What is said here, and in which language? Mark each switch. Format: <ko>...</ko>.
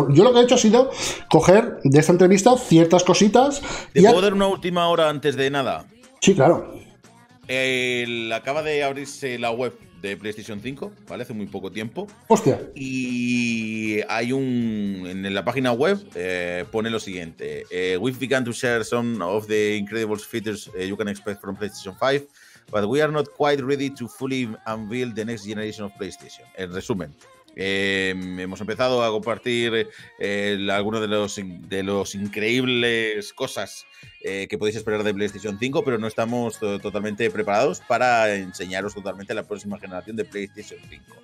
<es>Yo lo que he hecho ha sido coger de esta entrevista ciertas cositas. ¿Puedo dar una última hora antes de nada? Sí, claro. Acaba de abrirse la web de PlayStation 5, ¿vale? Hace muy poco tiempo. ¡Hostia! Y hay en la página web pone lo siguiente.</es> <en>We've begun to share some of the incredible features you can expect from PlayStation 5, but we are not quite ready to fully unveil the next generation of PlayStation.</en> <es>En resumen, hemos empezado a compartir algunos de los increíbles cosas que podéis esperar de PlayStation 5, pero no estamos totalmente preparados para enseñaros totalmente la próxima generación de PlayStation 5.</es>